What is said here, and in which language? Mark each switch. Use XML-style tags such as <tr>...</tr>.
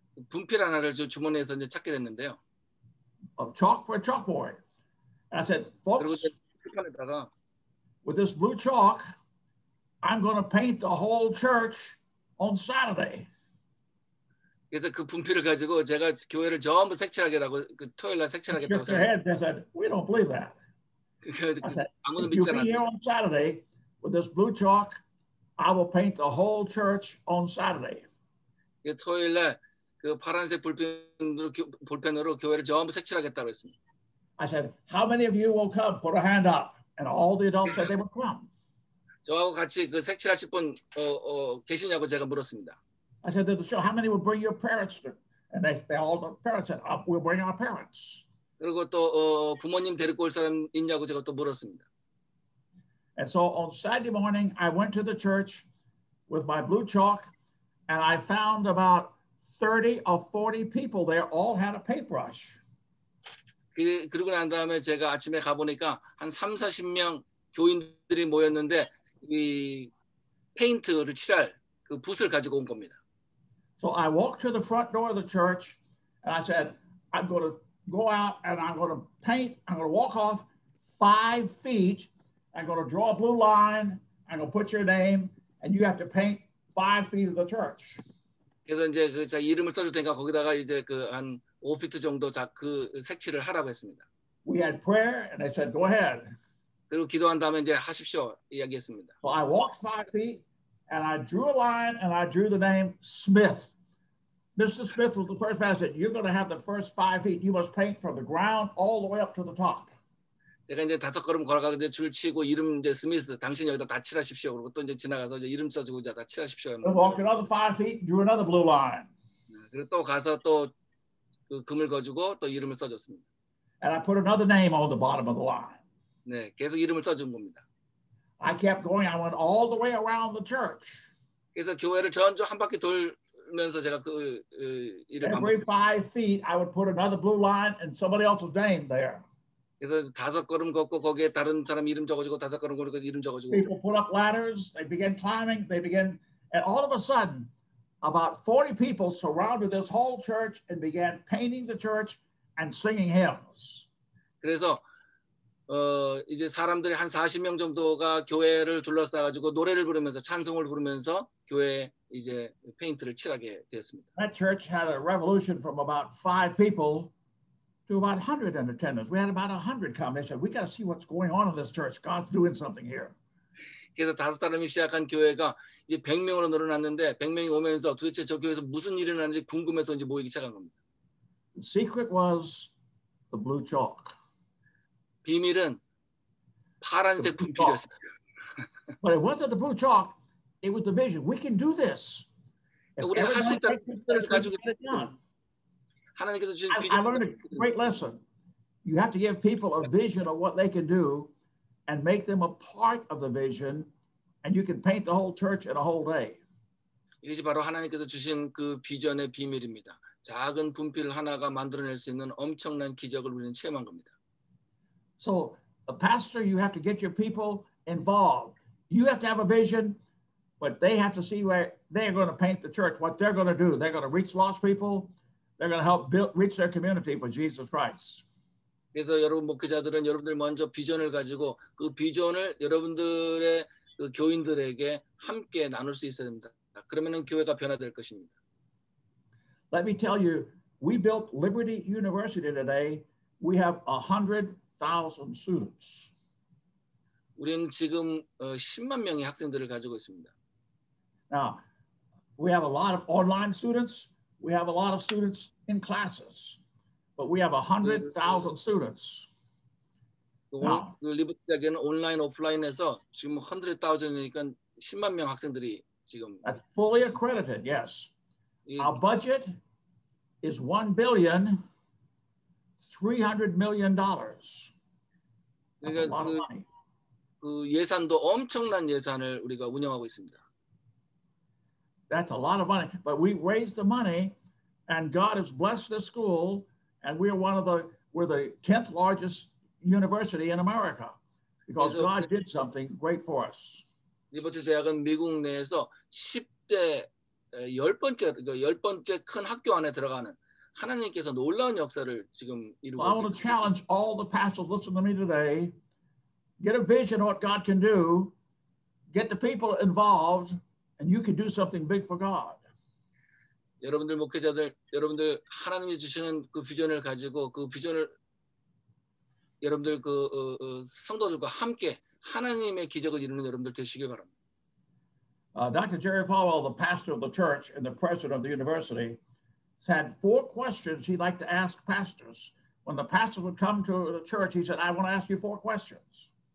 <ko>분필 하나를 저 주머니에서 이제 찾게 됐는데요.</ko> <en>Of chalk for a chalkboard. And I said, folks, with this blue chalk, I'm going to paint the whole church on Saturday.</en> <ko>그래서 그 분필을 가지고 제가 교회를 전부 색칠하겠다고 그 토요일 날 색칠하겠다고</ko> <en>said. Head, they said, we don't believe that. If you'll be here on Saturday with this blue chalk, I will paint the whole church on Saturday.</en> <ko>그 토요일 날 그 파란색 볼펜으로 볼펜으로 교회를 전부 색칠하겠다고 했습니다.</ko> <en>I said, how many of you will come? Put a hand up. And all the adults said they would come.</en> <ko>저하고 같이 그 색칠하실 분 계시냐고 제가 물었습니다.</ko> <en>I said, sure. How many will bring your parents? And they all the parents said, oh, we'll bring our parents.</en> <ko>그리고 또 부모님 데리고 올 사람 있냐고 제가 또 물었습니다.</ko> <en>And so on Saturday morning, I went to the church with my blue chalk, and I found about 30 or 40 people there all had a paintbrush.</en> <ko>그리고 난 다음에 제가 아침에 가보니까 한 3-40명 교인들이 모였는데 이 페인트를 칠할 그 붓을 가지고 온 겁니다.</ko> <en>So I walked to the front door of the church and I said, I'm going to go out and I'm going to paint. I'm going to walk off 5 feet. I'm going to draw a blue line. I'm going to put your name and you have to paint 5 feet of the church.</en> <ko>그래서 이제 그 제가 이름을 써줄 테니까 거기다가 이제 그 한 5피트 정도 자 그 색칠을 하라고 했습니다.</ko> <en>We had prayer and I said, go ahead.</en> <ko>그리고 기도한 다음에 이제 하십시오 이야기했습니다.</ko> <en>So I walked 5 feet and I drew a line and I drew the name Smith. Mr. Smith was the first man. I said, you're going to have the first 5 feet. You must paint from the ground all the way up to the top.</en> <ko>제가 이제 다섯 걸음 걸어가서 이제 줄 치고 이름 이제 스미스 당신 여기다 다 칠하십시오. 그리고 또 이제 지나가서 이제 이름 써주고 이제 다 칠하십시오.</ko> <en>Walked another 5 feet, drew another blue line.</en> <ko>그리고 또 가서 또 그 금을 거주고 또 이름을 써줬습니다.</ko> <en>And I put another name on the bottom of the line.</en> <ko>네, 계속 이름을 써준 겁니다.</ko> <en>I kept going. I went all the way around the church.</en> <ko>그래서 교회를 전주 한 바퀴 돌면서 제가 그 이름</ko> <en>Every 5 feet, I would put another blue line and somebody else's name there.</en> <ko>그래서 다섯 걸음 걷고 거기에 다른 사람 이름 적어주고 다섯 걸음 걷고 이름 적어주고</ko> <en>People put up ladders, they began climbing, they began and all of a sudden about 40 people surrounded this whole church and began painting the church and singing hymns.</en> <ko>그래서 이제 사람들이 한 40명 정도가 교회를 둘러싸 가지고 노래를 부르면서 찬송을 부르면서 교회 이제 페인트를 칠하게 되었습니다.</ko> <en>That church had a revolution from about 5 people to about 100 in attendance. We had about 100 come. They said, we got to see what's going on in this church. God's doing something here.</en> <ko>그래서 다섯 사람이 시작한 교회가 이제 100명으로 늘어났는데 100명이 오면서 도대체 저 교회에서 무슨 일이 일어나는지 궁금해서 이제 모이기 시작한 겁니다.</ko> <en>The secret was the blue chalk.</en> <ko>비밀은 파란색 분필이었어요.</ko> <en>But it wasn't the blue chalk. It was the vision. We can do this.</en> <ko>우리가 할 수 있다는 가지고 있어요.</ko> <en>I learned a great lesson. You have to give people a vision of what they can do and make them a part of the vision and you can paint the whole church in a whole day.</en> <ko>이것이 바로 하나님께서 주신 그 비전의 비밀입니다. 작은 분필 하나가 만들어낼 수 있는 엄청난 기적을 우리는 체험한 겁니다.</ko> <en>So, a pastor, you have to get your people involved. You have to have a vision, but they have to see where they're going to paint the church, what they're going to do. They're going to reach lost people. They're going to help build, reach their community for Jesus Christ.</en> <ko>그래서 여러분 목회자들은 여러분들 먼저 비전을 가지고 그 비전을 여러분들의 그 교인들에게 함께 나눌 수 있어야 됩니다. 그러면은 교회가 변화될 것입니다.</ko> <en>Let me tell you, we built Liberty University today. We have 100,000 students.</en> <ko>우리는 지금 10만 명의 학생들을 가지고 있습니다.</ko> <en>Now, we have a lot of online students. We have a lot of students in classes. But we have 100,000 students.</en> <ko>그 리버티에게는 온라인 오프라인에서 지금 100,000이니까 10만 명 학생들이 지금</ko> <en>That's fully accredited. Yes. Our budget is $1,300,000,000. That's a lot of money.</en> <ko>그 예산도 엄청난 예산을 우리가 운영하고 있습니다.</ko> <en>That's a lot of money, but we raised the money and God has blessed the school and we are one of the we're the 10th largest university in America because God did something great for us.</en> <ko>리버티 대학은 미국 내에서 10대 10번째 10번째 큰 학교 안에 들어가는 하나님께서 놀라운 역사를 지금 이루고 있습니다.</ko> <en>I want to challenge all the pastors listening to me today. Get a vision of what God can do. Get the people involved and you can do something big for God.</en> <ko>여러분들 목회자들 여러분들 하나님이 주시는 그 비전을 가지고 그 비전을 여러분들 그 성도들과 함께 하나님의 기적을 이루는 여러분들 되시길 바랍니다.</ko> <en>Dr. Jerry Falwell, the pastor of the church and the president of the university, had four questions he'd like to ask pastors. When the pastor would come to the church, he said, I want to ask you four questions.</en>